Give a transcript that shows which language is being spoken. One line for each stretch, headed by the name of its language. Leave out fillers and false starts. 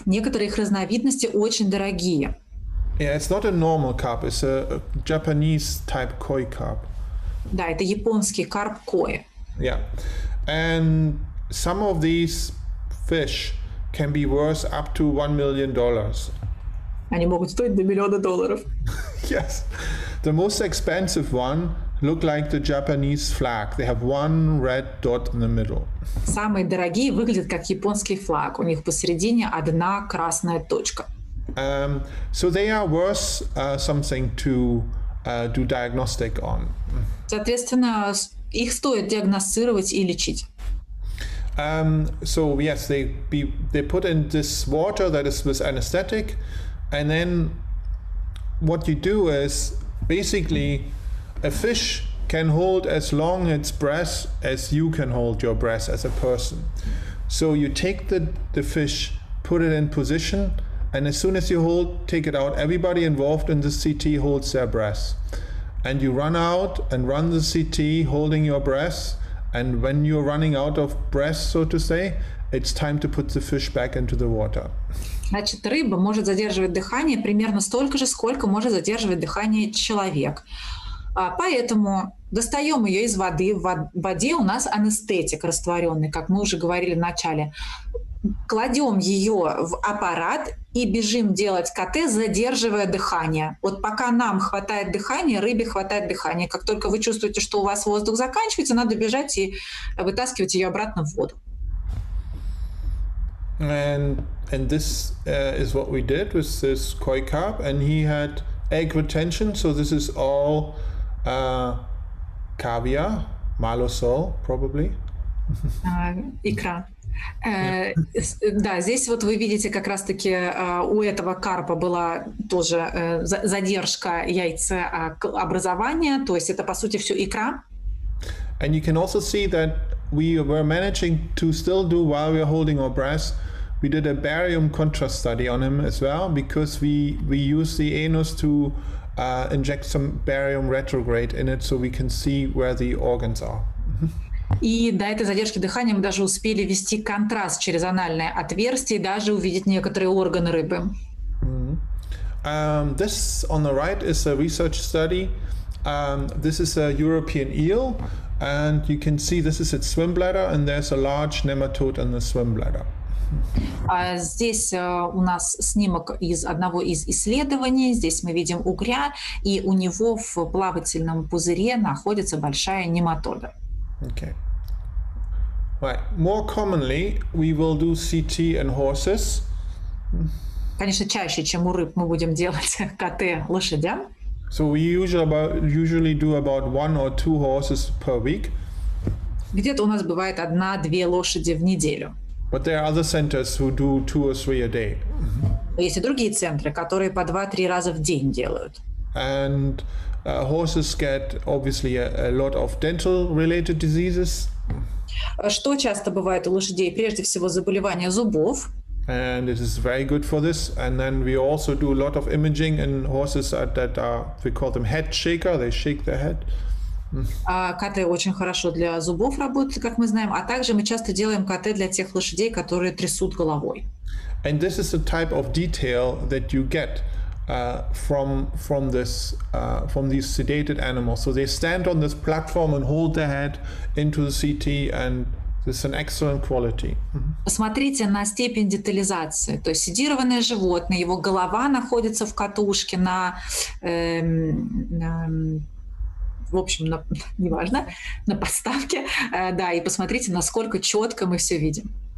Russian: Некоторые их разновидности очень дорогие.
English: Yeah, it's not a normal carp. It's a Japanese type koi carp.
Russian: Да, это японский карп кои.
English: Yeah, and some of these fish can be worth up to $1 million.
Russian: Они могут стоить до миллиона долларов.
English: Yes. The most expensive one look like the Japanese flag. They have one red dot in the middle.
Russian: Самые дорогие выглядят как японский флаг. У них посередине одна красная точка.
English: So they are worth something to do diagnostic on.
Russian: Соответственно, их стоит диагностировать и лечить.
English: So yes, they put in this water that is with anesthetic. And then what you do is basically a fish can hold as long its breath as you can hold your breath as a person. So you take the fish, put it in position, and as soon as you hold, take it out, everybody involved in the CT holds their breath. And you run out and run the CT holding your breath. And when you're running out of breath, so to say, it's time to put the fish back into the water.
Russian: Значит, рыба может задерживать дыхание примерно столько же, сколько может задерживать дыхание человек. Поэтому достаем ее из воды. В воде у нас анестетик растворенный, как мы уже говорили в начале. Кладем ее в аппарат и бежим делать КТ, задерживая дыхание. Вот пока нам хватает дыхания, рыбе хватает дыхания. Как только вы чувствуете, что у вас воздух заканчивается, надо бежать и вытаскивать ее обратно в воду.
English: And this is what we did with this koi carp, and he had egg retention, so this is all caviar, malosol, probably.
Russian: Икра. Да, здесь вот вы видите как раз-таки у этого карпа была тоже задержка яйцеобразования, то есть это по сути все икра.
English: And you can also see that we were managing to still do while we are holding our breath. We did a barium contrast study on him as well, because we use the anus to inject some barium retrograde in it, so we can see where the organs are.
Russian: И до этой задержки дыхания мы даже успели вести контраст через анальное отверстие и даже увидеть некоторые органы рыбы. Mm-hmm.
English: This on the right is a research study. This is a European eel, and you can see this is its swim bladder, and there's a large nematode in the swim bladder.
Russian: Здесь у нас снимок из одного из исследований. Здесь мы видим угря, и у него в плавательном пузыре находится большая нематода.
English: Okay. Right. More commonly, we will do CT in horses.
Russian: конечно, чаще, чем у рыб, мы будем делать КТ лошадям.
English: So we usually do about one or two horses per week.
Russian: Где-то у нас бывает одна-две лошади в неделю.
English: But there are other centers who do two or three a day.
Russian: Есть и другие центры, которые по 2-3 раза в день делают.
English: And horses get obviously a lot of dental related diseases.
Russian: Что часто бывает у лошадей? Прежде всего заболевания зубов.
English: And it is very good for this. And then we also do a lot of imaging in horses that are, we call them head shaker, they shake their head.
Russian: КТ очень хорошо для зубов работает, как мы знаем, а также мы часто делаем КТ для тех лошадей, которые трясут головой.
English: And this is the type of detail that you get from these sedated animals. So they stand on this platform and hold their head into the CT, and this is an excellent quality.
Russian: Посмотрите на степень детализации. То есть седированное животное, его голова находится в катушке на в общем, неважно, на подставке, да, и посмотрите, насколько четко мы все видим.